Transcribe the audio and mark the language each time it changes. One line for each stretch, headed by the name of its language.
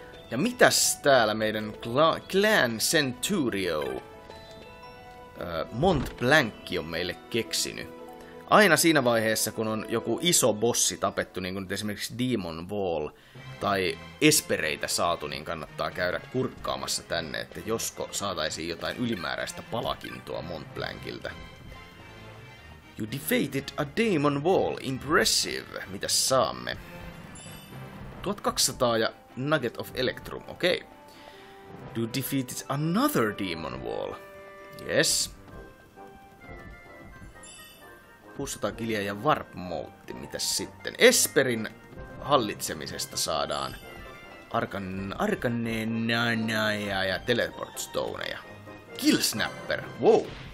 Finnish: Ja mitäs täällä meidän Clan Centurio Mont Blanc on meille keksinyt? Aina siinä vaiheessa, kun on joku iso bossi tapettu, niin kuin nyt esimerkiksi Demon Wall, tai espereitä saatu, niin kannattaa käydä kurkkaamassa tänne, että josko saataisiin jotain ylimääräistä palakintoa Mont Blanciltä.
English: You defeated a Demon Wall. Impressive.
Finnish: Mitäs saamme? 1200 ja Nugget of Electrum, okei. Okay.
English: You defeated another Demon Wall. Yes.
Finnish: 600 kiljaa ja Warp Mode, mitäs sitten? Esperin hallitsemisesta saadaan Arkaneenaja ja Teleport Stoneja.
English: Killsnapper, wow.